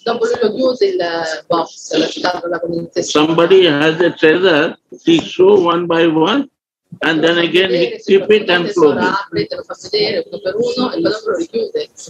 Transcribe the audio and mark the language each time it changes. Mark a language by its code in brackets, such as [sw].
[it] Dopo lui lo chiude il box, la scatola con il tesoro. [en] Somebody has a treasure, he show one by one, and then again he keep it and close it. [it] Apre, te lo fa vedere uno per uno e poi dopo lo richiude.